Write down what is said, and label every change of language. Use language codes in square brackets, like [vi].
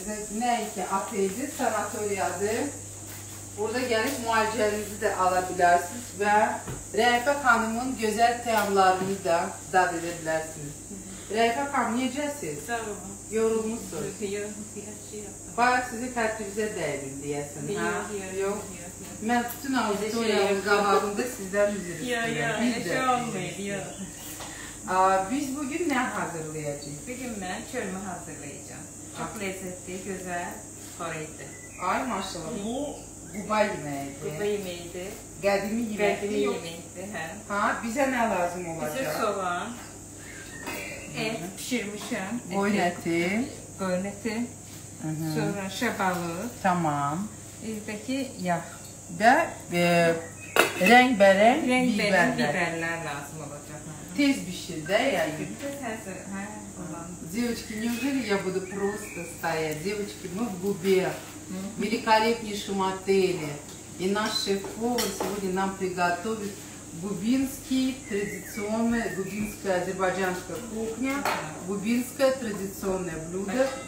[az] Не ки отель, санатория, да. Burada gəlib müalicənizi də ala bilərsiniz və Rəyfə xanımın gözəl təamlarını da dad edə bilərsiniz. Rəyfə xanım, necəsiniz? Sağ olun. Yorulmuşsunuz? Yox, yaxşıyam. Bayaq sizi tədbirinizə dəyirdim deyəsən, ha? Yox, yox. Mən bütün auditoriyanın qabağında sizdən üzr istəyirəm. Yox, yox, heç olmayıb, yox. Biz bugün nə hazırlayacaq? Bugün mən çörümü hazırlayacağım. Çox ləzzətli, gözəl, xoreydi. Ay, maşallah. Bu Quba yeməyidir. Quba yeməyidir. Qədimi yeməkdir. Qədimi yeməkdir, hə. Ha, bizə nə lazım olacaq? Bizə soğan, et pişirmişəm. Qoyun əti. Qoyun əti. Sonra şəbalı. Tamam. İzdəki yağ. Və rəngbərəng biberlər. Rəngbərəng biberlər lazım olacaq. Tez pişir də yəni. Tez hazır, hə. [ru] Девочки, неужели я буду просто стоять? Девочки, мы в Губе, в великолепнейшем отеле. И наш шеф-повар сегодня нам приготовит губинский традиционный, губинская азербайджанская кухня, губинское традиционное блюдо.